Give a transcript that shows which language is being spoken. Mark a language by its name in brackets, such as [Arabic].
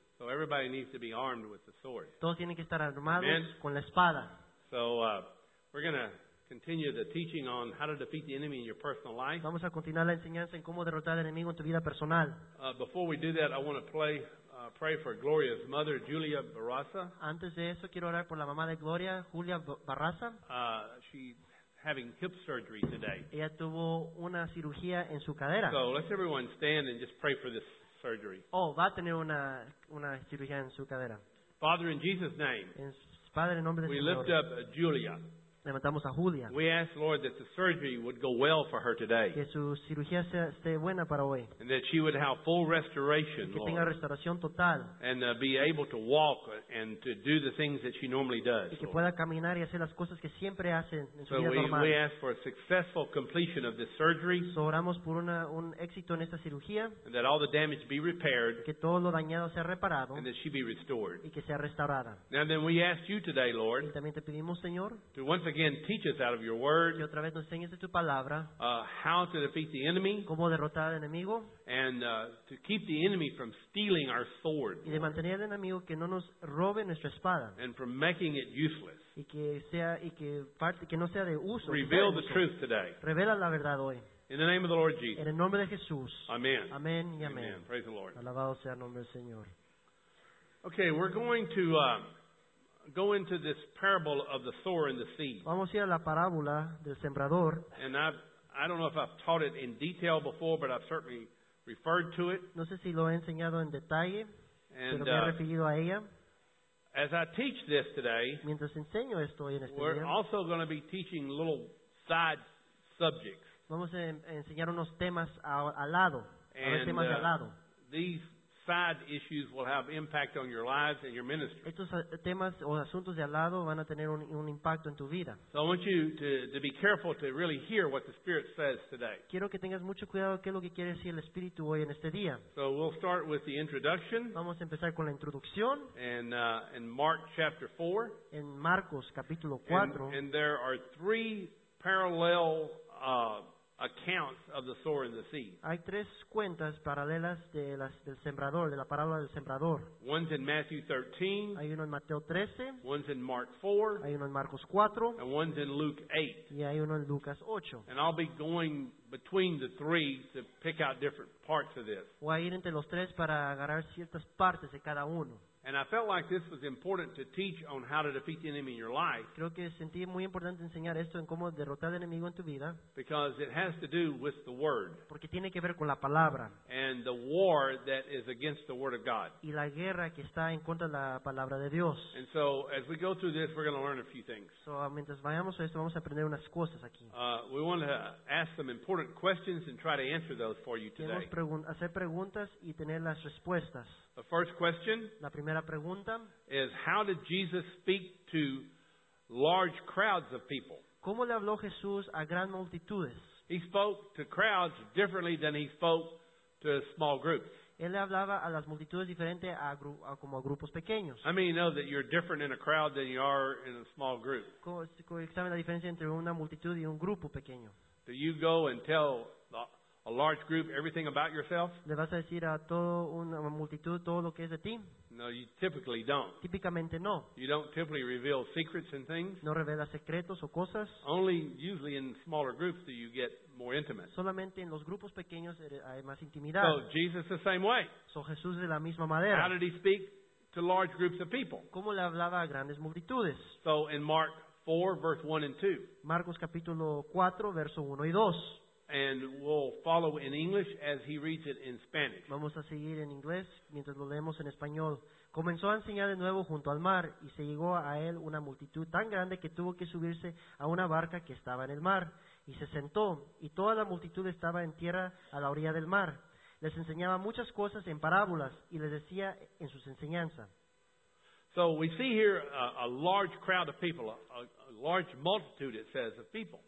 [English] So everybody needs to be armed with the sword. [Spanish] Todos tienen que estar armados. Amen. Con la espada. [English] So we're going to continue the teaching on how to defeat the enemy in your personal life. [Spanish] Vamos a continuar la enseñanza en cómo derrotar al enemigo en tu vida personal. [English] Before we do that, I want to pray for Gloria's mother, Julia Barraza. [Spanish] Antes de eso, quiero orar por la mamá de Gloria, Julia Barraza. [English] She's having hip surgery today. [Spanish] Ella tuvo una cirugía en su cadera. [English] So let's everyone stand and just pray for this surgery. [Spanish] Oh, va a tener una cirugía en su cadera. [English] Father, in Jesus' name, [Spanish] Padre, en nombre de [English] we lift [Spanish] Gloria. [English] Up Julia. [Spanish] Levantamos a Julia. [English] We ask, Lord, that the surgery would go well for her today. [Spanish] Que su cirugía esté buena para hoy. [English] And that she would have full restoration, [Spanish] que tenga [English] Lord. [Spanish] Restauración total. [English] And be able to walk and to do the things that she normally does. [Spanish] Y que pueda caminar y hacer las cosas que siempre hace en su [English] so [Spanish] vida [English] we, [Spanish] normal. [English] We ask for a successful completion of this surgery. [Spanish] So oramos por un éxito en esta cirugía. [English] And that all the damage be repaired. [Spanish] Que todo lo dañado sea reparado. [English] And that she be restored. [Spanish] Y que sea restaurada. [English] Now then we ask you today, Lord. [Spanish] Y también te pedimos, Señor. [English] To once again, teach us out of your word [Spanish] otra vez nos enseñes de tu palabra, [English] how to defeat the enemy, [Spanish] cómo derrotar al enemigo, [English] and to keep the enemy from stealing our sword, [Spanish] y de mantener al enemigo que no nos robe nuestra espada, [English] and from making it useless. [Spanish] Y que sea, y que parte, que no sea de uso. [English] Reveal the truth today. [Spanish] Revela la verdad hoy. [English] In the name of the Lord Jesus. [Spanish] En el nombre de Jesús. [English] Amen. [Spanish] Amen y amen. [English] Amen. Praise the Lord. [Spanish] Alabado sea el nombre del Señor. [English] Okay, we're going to go into this parable of the sower and the seed. [Spanish] Vamos a ir a la parábola del sembrador. [English] And I don't know if I've taught it in detail before, but I've certainly referred to it. [Spanish] No sé si lo he enseñado en detalle, [English] and, [Spanish] pero me he referido a ella. [English] As I teach this today, [Spanish] mientras enseño esto hoy en este [English] we're [Spanish] día, [English] also going to be teaching little side subjects. [Spanish] Vamos a enseñar unos temas al lado. [English] And, [Spanish] temas al lado. [English] These side issues will have impact on your lives and your ministry. [Spanish] Estos temas o asuntos de al lado van a tener un impacto en tu vida. [English] So I want you to be careful to really hear what the Spirit says today. [Spanish] Quiero que tengas mucho cuidado qué es lo que quiere decir el Espíritu hoy en este día. [English] So we'll start with the introduction. [Spanish] Vamos a empezar con la introducción. [English] And in Mark chapter 4. [Spanish] En Marcos capítulo 4. [English] And there are three parallel accounts of the sower and the seed. [Spanish] Hay tres cuentas paralelas del sembrador, de la parábola del sembrador. [English] One's in Matthew 13. [Spanish] Hay uno en Mateo 13. [English] One's in Mark 4. [Spanish] Hay uno en Marcos 4. [English] And one's in Luke 8. [Spanish] Y hay uno en Lucas 8. [English] And I'll be going between the three to pick out different parts of this. [Spanish] Voy a ir entre los tres para agarrar ciertas partes de cada uno. [English] And I felt like this was important to teach on how to defeat the enemy in your life. [Spanish] Creo que sentí muy importante enseñar esto en cómo derrotar al enemigo en tu vida. [English] Because it has to do with the word. [Spanish] Porque tiene que ver con la palabra. [English] And the war that is against the word of God. [Spanish] Y la guerra que está en contra de la palabra de Dios. [English] And so as we go through this, we're going to learn a few things. [Spanish] So mientras vayamos a esto, vamos a aprender unas cosas aquí. [English] We want to ask some important questions and try to answer those for you today. [Spanish] Queremos hacer preguntas y tener las respuestas. [English] The first question, [Spanish] la primera pregunta, [English] is how did Jesus speak to large crowds of people? [Spanish] ¿Cómo le habló Jesús a gran multitudes? [English] He spoke to crowds differently than he spoke to small groups. [Spanish] Él le hablaba a las multitudes diferente a como a grupos pequeños. [English] How many know that you're different in a crowd than you are in a small group? [Spanish] ¿Saben la diferencia entre una multitud y un grupo pequeño? [English] Do you go and tell a large group everything about yourself? [Spanish] ¿Le vas a decir a todo una multitud todo lo que es de ti? [English] No, you typically don't. [Spanish] Típicamente no. [English] You don't typically reveal secrets and things. [Spanish] No revelas secretos o cosas. [English] Only usually in smaller groups do you get more intimate. [Spanish] Solamente en los grupos pequeños hay más intimidad. [English] So Jesus the same way. [Spanish] So Jesús de la misma manera. [English] How did he speak to large groups of people? [Spanish] ¿Cómo le hablaba a grandes multitudes? [English] So in Mark 4 verse 1 and 2. [Spanish] Marcos capítulo 4 verso 1 y 2. [English] And we'll follow in English as he reads it in Spanish. [Spanish] Vamos a seguir en inglés mientras lo leemos en español. Comenzó a enseñar de nuevo junto al mar, y se llegó a él una multitud tan grande que tuvo que subirse a una barca que estaba en el mar. Y se sentó, y toda la multitud estaba en tierra a la orilla del mar. Les enseñaba muchas cosas en parábolas y les decía en sus enseñanzas. [English] So we see here a large crowd of people, a large multitude, it says, of people.